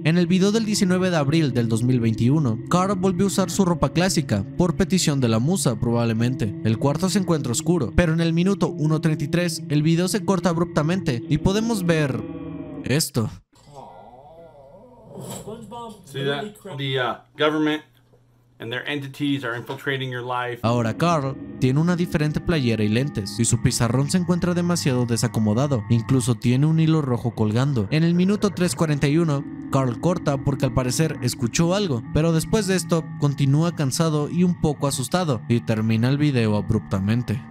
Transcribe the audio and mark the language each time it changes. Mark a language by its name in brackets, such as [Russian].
[Spanish] En el video del 19 de abril del 2021, Carl volvió a usar su ropa clásica, por petición de la musa probablemente. El cuarto se encuentra oscuro, pero en el minuto 1:33 el video se corta abruptamente y podemos ver esto. [English] See that? The government and their entities are infiltrating your life. [Spanish] Ahora Carl tiene una diferente playera y lentes, y su pizarrón se encuentra demasiado desacomodado. Incluso tiene un hilo rojo colgando. En el minuto 3:41, Carl corta porque al parecer escuchó algo, pero después de esto continúa cansado y un poco asustado, y termina el video abruptamente.